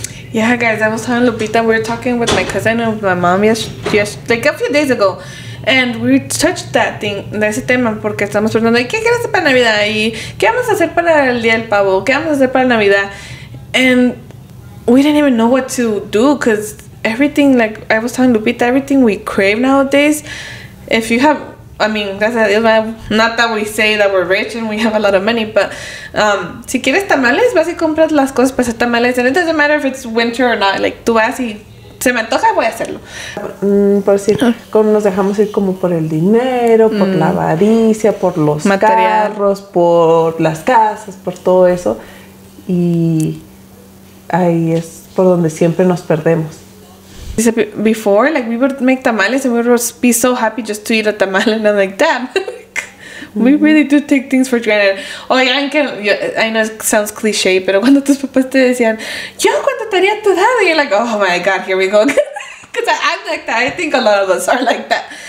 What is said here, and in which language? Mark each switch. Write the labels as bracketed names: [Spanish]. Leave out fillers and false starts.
[English] Yeah, guys, I was telling Lupita, we were talking with my cousin and my mom like a few days ago. And we touched that thing, [Spanish] ese tema, porque estamos preguntando, ¿qué quieres hacer para Navidad? ¿Y qué vamos a hacer para el Día del Pavo? ¿Qué vamos a hacer para Navidad? [English] And we didn't even know what to do, because everything, like I was telling Lupita, everything we crave nowadays, if you have, I mean, [Spanish] gracias a Dios, [English] not that we say that we're rich and we have a lot of money, but [Spanish] si quieres tamales, vas y compras las cosas para hacer tamales, [English] and it doesn't matter if it's winter or not, like [Spanish] tú vas y... Se me antoja, voy a hacerlo. Por decir, como nos dejamos ir como por el dinero, por la avaricia, por los carros, por las casas, por todo eso. Y ahí es por donde siempre nos perdemos. [English] Before, like, we would make tamales and we would be so happy just to eat a tamal. And I'm like, damn, we really do take things for granted. [Spanish] Oigan, que, [English] I know it sounds cliche, [Spanish] pero cuando tus papás te decían, yo cuando tenía tu edad, [English] you're like, oh my God, here we go. Because I'm like that. I think a lot of us are like that.